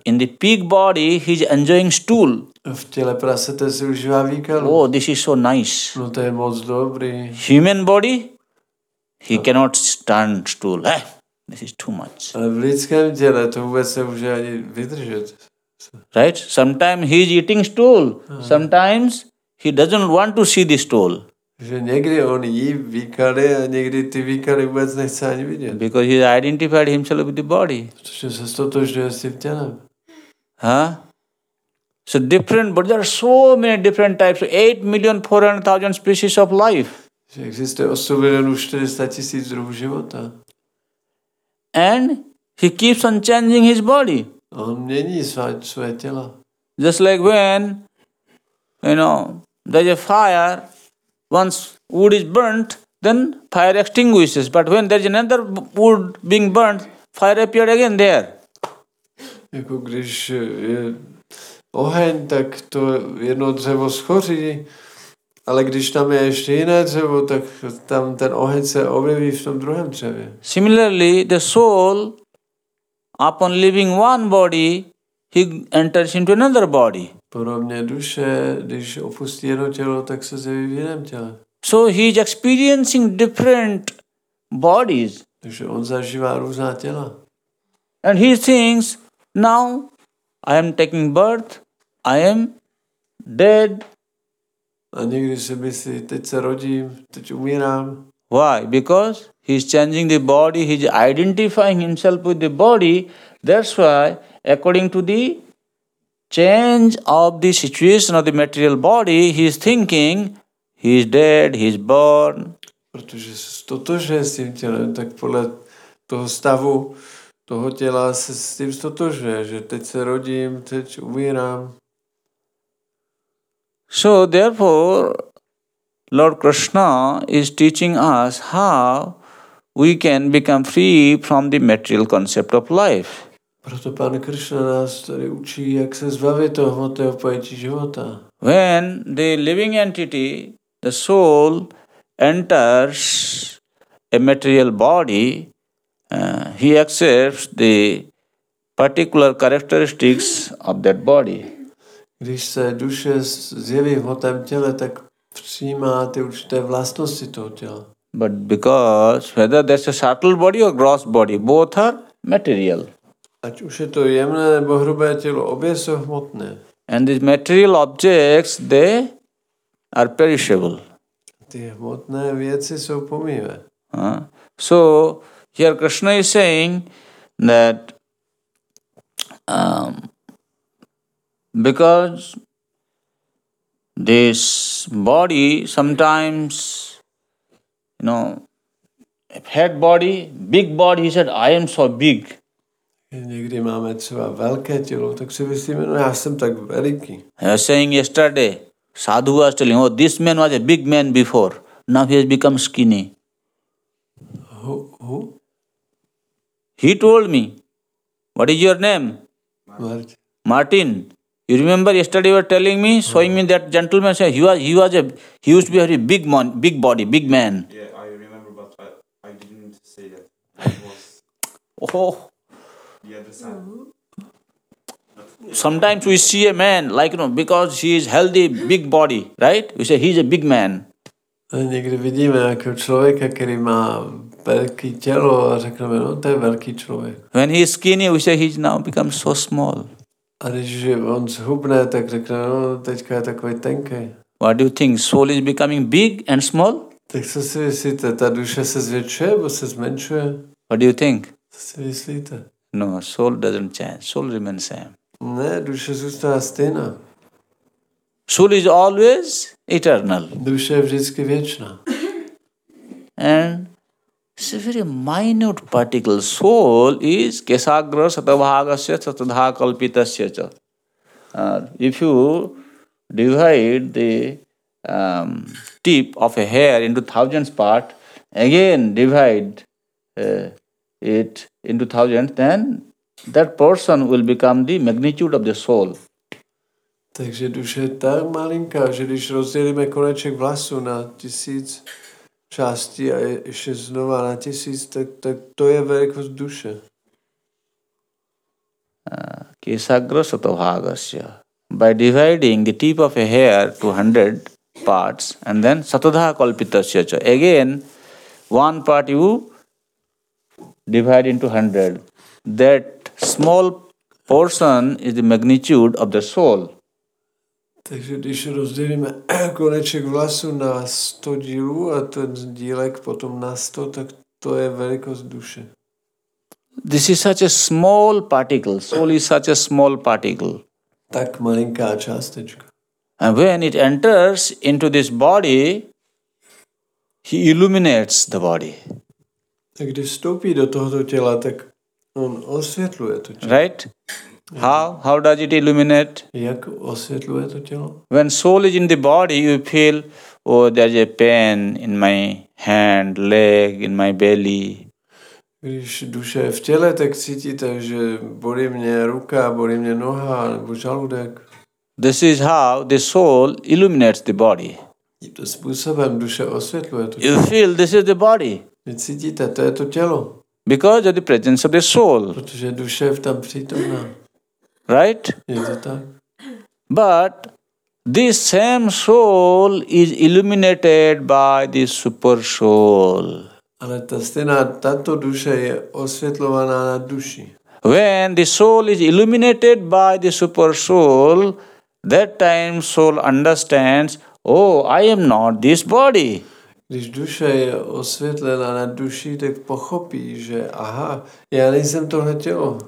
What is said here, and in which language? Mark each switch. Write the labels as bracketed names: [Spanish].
[English] In the pig body, he's enjoying stool. [Czech] V těle prasete si užívá výkalu. [English] Oh, this is so nice. [Czech] No, to je moc dobrý. [English] Human body, he cannot stand stool. This is too much. [Czech] Ale v lidském těle to vůbec se může ani vydržet. [English] Right? Sometimes he's eating stool. Sometimes he doesn't want to see the stool. [Czech] Že někdy on jí výkaly a někdy ty výkaly vůbec nechce ani vidět. [English] Because he identified himself with the body. [Czech] Protože se stotožňuje s tím tělem. [English] So different, but there are so many different types. 8,400,000 species of life. [Czech] Že existuje 8,400,000 druhů života. [English] And he keeps on changing his body. [Czech] On mění své tělo. [English] Just like when, you know, there's a fire, once wood is burnt, then fire extinguishes. But when there's another wood being burnt, fire appeared again there. [Czech] Jako když je oheň, tak to jedno dřevo schoří, Ale když tam je ještě jiné dřevo, tak tam ten oheň se objeví v tom druhém dřevě. [English] Similarly, the soul, upon leaving one body, he enters into another body. [Czech] Podobně duše, když opustí jedno tělo, tak se zjeví v jiném těle. [English] So he is experiencing different bodies. [Czech] Takže on zažívá různá těla. [English] And he thinks, now I am taking birth, I am dead. [Czech] A někdy si myslí, teď se rodím, teď umírám. [English] Why? Because he is changing the body, he is identifying himself with the body. That's why, according to the change of the situation of the material body, he is thinking, he is dead, he is born. [Czech] Protože se stotožuje s tím tělem, tak podle toho stavu toho těla se s tím stotožuje, že teď se rodím, teď umírám. [English] So therefore, Lord Krishna is teaching us how we can become free from the material concept of life. [Czech] Proto pan Krishna nás tady učí, jak se zbavit toho hmotného pojetí života. [English] When the living entity, the soul, enters a material body, he accepts the particular characteristics of that body. [Czech] Když se duše zjeví v hmotném těle, tak přijímá ty určité vlastnosti toho těla. [English] But because whether there's a subtle body or gross body, both are material. [Czech] Ať už je to jemné nebo hrubé tělo, obě jsou hmotné. [English] And these material objects, they are perishable. [Czech] Ty hmotné věci jsou pomývé. [English] So here Krishna is saying that because this body sometimes, you know, a fat body, big body, he said, I am so big. [Czech] Někdy máme třeba velké tělo, tak si myslíme, no já jsem tak veliký. [English] He was saying yesterday, sadhu was telling, oh, this man was a big man before, now he has become skinny. Who? He told me, what is your name? Martin. Martin. You remember yesterday you were telling me, showing me that gentleman said he used to be a very big man, big body, big man. Yeah, I remember, but I didn't say that. It was the other side. Sometimes we see a man, like, you know, because he is healthy, big body, right? We say he's a big man. [Czech] Někdy vidíme jakého člověka, který má velký tělo, a řekneme, no, to je velký člověk. [English] When he is skinny, we say he's now become so small. [Czech] A když on zhubne, tak řekne, no, teďka je takový tenký. [English] What do you think? Soul is becoming big and small? [Czech] Tak co si myslíte? Ta duše se zvětšuje nebo se zmenšuje? [English] What do you think? [Czech] Co si myslíte? [English] No, soul doesn't change. Soul remains same. [Czech] Ne, duše zůstává stejná. [English] Soul is always eternal. [Czech] Duše je vždycky věčná. [English] And it's a very minute particle. Soul is [Sanskrit] kesagra satabhagasya satadha kalpitasya cha. [English] If you divide the tip of a hair into thousands part, again divide it into thousands, then that person will become the magnitude of the soul. [Czech] Takže duše je tak malinká, že když rozdělíme koneček vlasu na tisíc části a ještě znova na tisíc, tak to je velikost duše. [Sanskrit] Kesagra satabhagasya. [English] By dividing the tip of a hair to 100 parts and then [Sanskrit] satadha kalpitasya cha. [English] Again, one part you divide into 100. That small portion is the magnitude of the soul. [Czech] Takže když rozdělíme koneček vlasu na 100 dílů a ten dílek potom na 100, tak to je velikost duše. [English] This is such a small particle. Soul is such a small particle. [Czech] Tak malinká částečka. [English] And when it enters into this body, he illuminates the body. [Czech] Tak když vstoupí do tohoto těla, tak on osvětluje to tělo. [English] Right? How does it illuminate? [Czech] Jak osvětluje to tělo? [English] When soul is in the body, you feel, oh, there's a pain in my hand, leg, in my belly. [Czech] Když duše je v těle, tak cítíte, že bolí mě ruka, bolí mě noha, nebo žaludek. [English] This is how the soul illuminates the body. [Czech] Tímto způsobem duše osvětluje to tělo. [English] You feel this is the body. [Czech] Vy cítíte, to je to tělo. [English] Because of the presence of the soul. [Czech] Protože duše je tam přítomná. [English] Right? [Czech] Je to tak. [English] But this same soul is illuminated by the super soul. [Czech] Ale ta stejná, tato duše je osvětlovaná na duši. [English] When the soul is illuminated by the super soul, that time soul understands, oh, I am not this body. [Czech] Když duše je osvětlena na duši, tak pochopí, že aha, já nejsem tohle tělo.